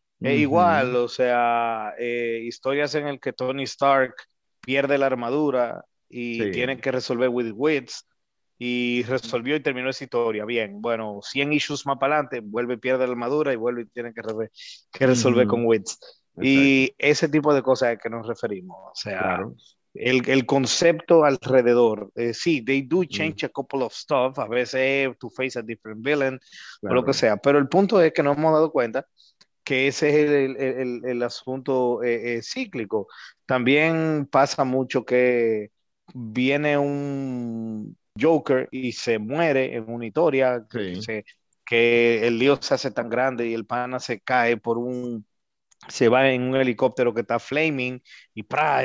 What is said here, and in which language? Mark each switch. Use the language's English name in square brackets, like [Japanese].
[Spanish] Igual, o sea, historias en el que Tony Stark pierde la armadura y tiene que resolver [English] with wits, [Spanish] y resolvió y terminó esa historia. Bien, bueno, 100 issues más para adelante, vuelve, pierde la armadura y vuelve y tiene que resolver con wits. Exacto. Y ese tipo de cosas a que nos referimos. O sea, el concepto alrededor. Sí, [English] they do change a couple of stuff. [Spanish] A veces [English] to face a different villain, [Spanish] o lo que sea. Pero el punto es que nos hemos dado cuenta que ese es el asunto cíclico. También pasa mucho que viene un Joker y se muere en una historia que el lío se hace tan grande y el pana se cae se va en un helicóptero que está flaming y ¡pra!